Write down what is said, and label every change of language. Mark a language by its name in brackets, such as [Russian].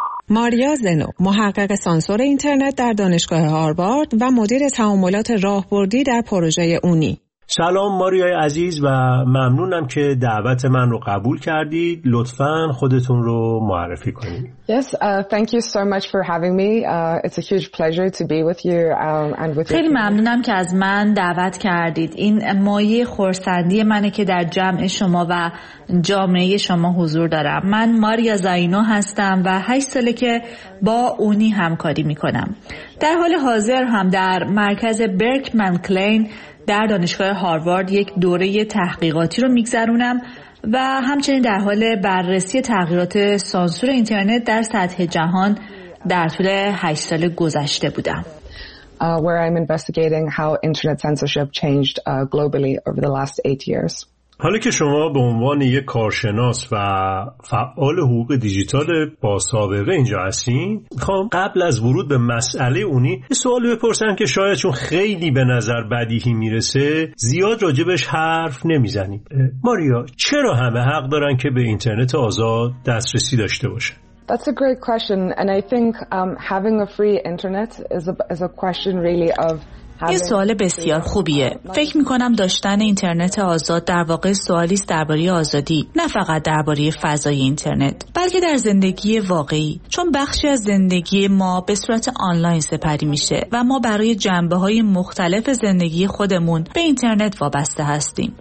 [Persian] ماریا زنو، محقق سانسور اینترنت در دانشگاه هاروارد و مدیر تعاملات راهبردی در پروژه اونی. سلام ماریا عزیز و ممنونم که دعوت من رو قبول کردید. لطفاً خودتون رو معرفی کنید. [English] Yes, thank you so much for having me. It's a huge pleasure to be with you and with you. [Persian] خیلی ممنونم که از من دعوت کردید. این مایه خرسندی منه که در جمع شما و جامعه شما حضور دارم. من ماریا زاینو هستم و 8 ساله که با اونی همکاری میکنم. در حال حاضر هم در مرکز برکمن کلین در دانشگاه هاروارد یک دوره تحقیقاتی رو میگذرونم و همچنین در حال بررسی تغییرات سانسور اینترنت در سطح جهان در طول 8 سال گذشته بودم. [English] Where I'm investigating how internet censorship changed globally over the last 8 years. [Persian] حالا که شما به عنوان یک کارشناس و فعال حقوق دیجیتال با سابقه اینجا هستین، میخوام قبل از ورود به مسئله اونی یه سوال بپرسم که شاید چون خیلی به نظر بدیهی میرسه زیاد راجبش حرف نمیزنیم. ماریا، چرا همه حق دارن که به اینترنت آزاد دسترسی داشته باشن؟ [English] That's a great question and I think having a free internet is a question really of [Persian] یه سوال بسیار خوبیه. فکر میکنم داشتن اینترنت آزاد در واقع سوالی است درباره آزادی، نه فقط درباره فضای اینترنت، بلکه در زندگی واقعی. چون بخشی از زندگی ما به صورت آنلاین سپری میشه و ما برای جنبه‌های مختلف زندگی خودمون به اینترنت وابسته هستیم.